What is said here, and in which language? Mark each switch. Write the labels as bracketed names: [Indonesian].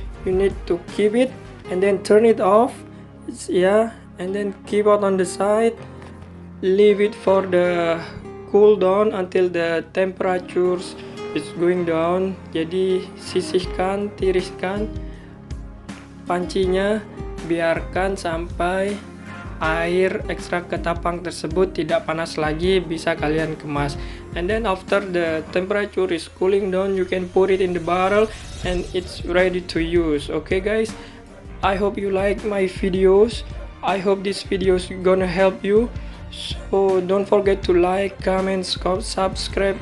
[English] You need to keep it and then turn it off, yeah, and then keep it on the side, leave it for the cool down until the temperatures is going down. [Indonesian] Jadi sisihkan, tiriskan pancinya, biarkan sampai air ekstrak ketapang tersebut tidak panas lagi, bisa kalian kemas. [English] And then after the temperature is cooling down, you can put it in the barrel and it's ready to use. Okay guys, I hope you like my videos. I hope this video is gonna help you. So don't forget to like, comment, subscribe.